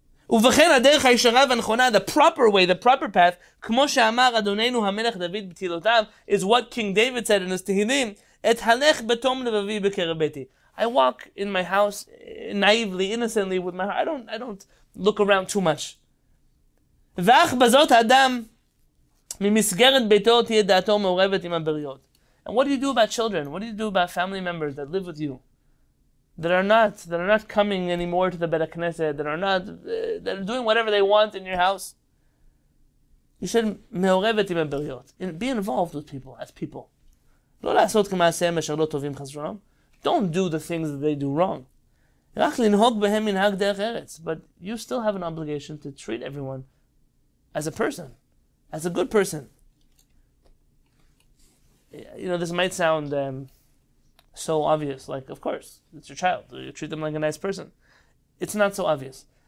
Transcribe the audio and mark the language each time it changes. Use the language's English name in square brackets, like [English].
[Hebrew] ובכן הדרך הישרה והנכונה, [English] the proper way, the proper path, [Hebrew] כמו שאמר אדוננו המלך דוד בתהילותיו, [English] is what King David said in his Tehillim, [Hebrew] את הלך בתום לבבי בקרב ביתי. [English] I walk in my house naively, innocently with my heart. I don't look around too much. [Hebrew] ואך בזאת האדם ממסגרת ביתו תהיה דעתו מעורבת עם הבריות. [English] And what do you do about children? What do you do about family members that live with you? That are not coming anymore to the Beit HaKnesset, that are doing whatever they want in your house. You should [Hebrew] מעורבת עם הבריות. [English] Be involved with people as people. [Hebrew] לא לעשות כמעשיהם אשר לא טובים חסרונם. [English] Don't do the things that they do wrong. [Hebrew] רק לנהוג בהם מנהג דרך ארץ. [English] But you still have an obligation to treat everyone as a person, as a good person. You know, this might sound so obvious. Like, of course, it's your child. You treat them like a nice person. It's not so obvious.